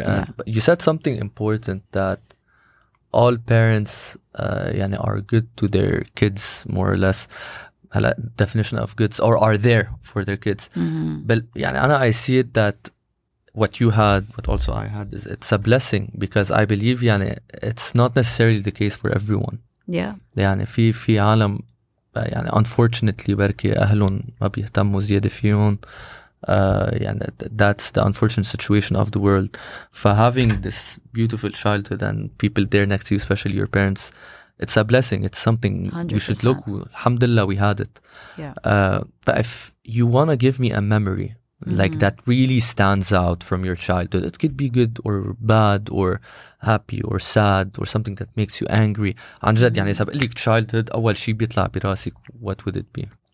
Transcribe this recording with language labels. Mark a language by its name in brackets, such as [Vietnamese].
[English] And you said something important, that all parents are good to their kids, more or less. Definition of goods, or are there for their kids. Mm-hmm. But I see it that what you had, what also I had, is it's a blessing, because I believe it's not necessarily the case for everyone. Yeah. [Arabic] في عالم [English] unfortunately [Arabic] بركي أهلهم ما بيهتموا زيادة فيهم. [English] That's the unfortunate situation of the world. For having this beautiful childhood and people there next to you, especially your parents, it's a blessing. It's something 100%. You should look. Alhamdulillah, we had it. Yeah. But if you want to give me a memory that really stands out from your childhood, it could be good or bad or happy or sad or something that makes you angry. [Arabic] Anjad, يعني سبق لك [English] childhood [Arabic] أول شيء بيطلع براسي, [English] what would it be?